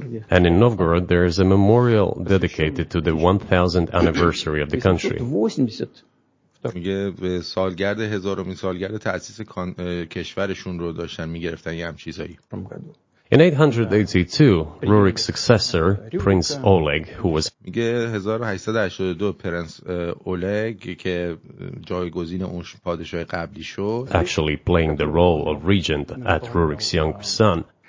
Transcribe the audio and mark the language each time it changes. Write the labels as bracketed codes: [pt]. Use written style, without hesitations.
[en] And in Novgorod, there is a memorial dedicated to the 1000th anniversary of the country. [fa] میگه سالگرد هزارمین سالگرد تأسیس کشورشون رو داشتن میگرفتن یه همچیزایی. [en] In 882, Rurik's successor, Prince Oleg, who was [fa] میگه 1882 پرنس اولگ که جایگزین اون پادشاه قبلی شد [en] actually playing the role of regent at Rurik's young son